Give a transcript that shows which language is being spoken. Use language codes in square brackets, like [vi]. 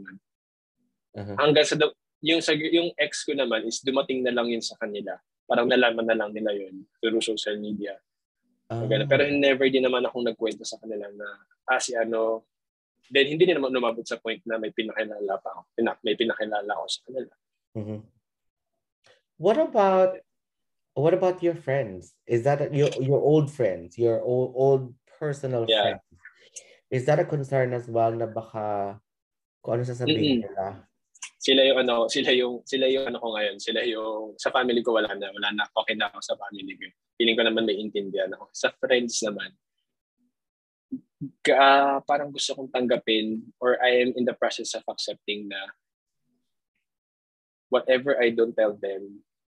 [tl] Uh-huh. Hanggang yung ex ko naman is dumating na lang yun sa kanila. Parang nalaman na lang nila yun through social media. Uh-huh. Pero [en] never [tl] din naman akong nagkwento sa kanila na si ano, [en] then [tl] hindi naman lumabot sa point na may pinakilala ako sa kanila. Mm-hmm. [en] What about your friends? Is that your old friends, your old personal friends? Is that a concern as well [tl] na baka kung ano sasabihin nila? Sila yung ano ko ngayon. Sila yung sa family ko wala na. Okay na ako sa family ko. Feeling ko naman may intindihan ako. Sa friends naman, parang gusto kong tanggapin [en] or I am in the process of accepting na whatever I don't tell them